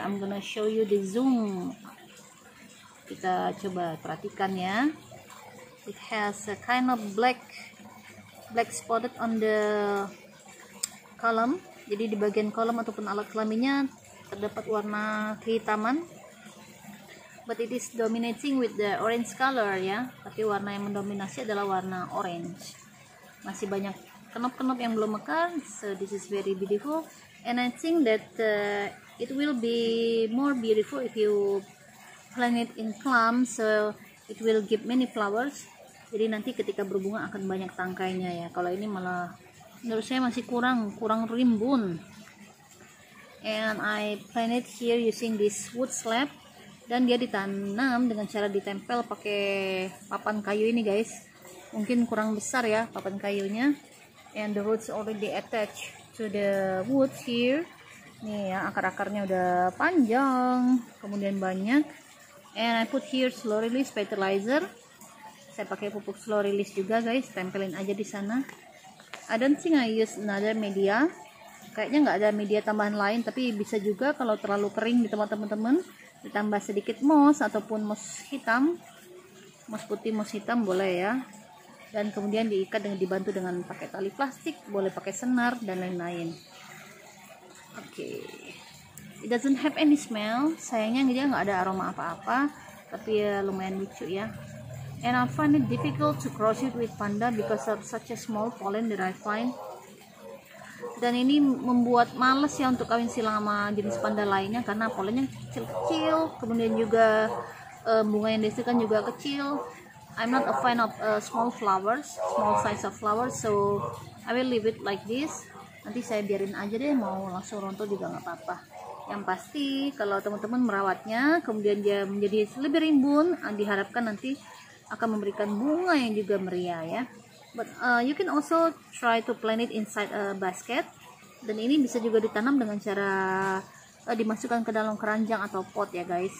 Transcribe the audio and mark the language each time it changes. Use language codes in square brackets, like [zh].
[en] I'm gonna show you the zoom. [id] Kita coba perhatikan ya. [en] It has a kind of black spotted on the kolom. [id] Jadi di bagian kolom ataupun alat kelaminnya terdapat warna kehitaman. [en] But it is dominating with the orange color ya. [id] Tapi warna yang mendominasi adalah warna orange. Masih banyak kenop-kenop yang belum mekar. [en] So this is very beautiful. And I think that it will be more beautiful if you plant it in clump. So it will give many flowers. [id] Jadi nanti ketika berbunga akan banyak tangkainya ya. Kalau ini malah menurut saya masih kurang rimbun. [en] And I plant it here using this wood slab. [id] Dan dia ditanam dengan cara ditempel pakai papan kayu ini guys. Mungkin kurang besar ya papan kayunya. [en] And the roots already attached to the wood here. [id] Nih ya, akar-akarnya udah panjang, kemudian banyak. [en] And I put here slow release fertilizer. [id] Saya pakai pupuk slow release juga guys, tempelin aja di sana. [en] I don't think I use another media. [id] Kayaknya nggak ada media tambahan lain, tapi bisa juga kalau terlalu kering di tempat teman-teman ditambah sedikit moss ataupun moss hitam, moss putih, moss hitam boleh ya. Dan kemudian diikat dengan dibantu dengan pakai tali plastik, boleh pakai senar dan lain-lain. Oke, okay. [en] It doesn't have any smell. [id] Sayangnya dia nggak ada aroma apa-apa, tapi ya lumayan lucu ya. [en] And I find it difficult to cross it with panda because of such a small pollen that I find. [id] Dan ini membuat males ya untuk kawin silang sama jenis panda lainnya karena polennya kecil-kecil, kemudian juga bunga yang dihasilkan juga kecil. [en] I'm not a fan of small flowers, small size of flowers, so I will leave it like this. [id] Nanti saya biarin aja deh, mau langsung rontok juga nggak apa-apa. Yang pasti kalau teman-teman merawatnya, kemudian dia menjadi lebih rimbun, diharapkan nanti akan memberikan bunga yang juga meriah ya. [en] But you can also try to plant it inside a basket. [id] Dan ini bisa juga ditanam dengan cara dimasukkan ke dalam keranjang atau pot ya guys.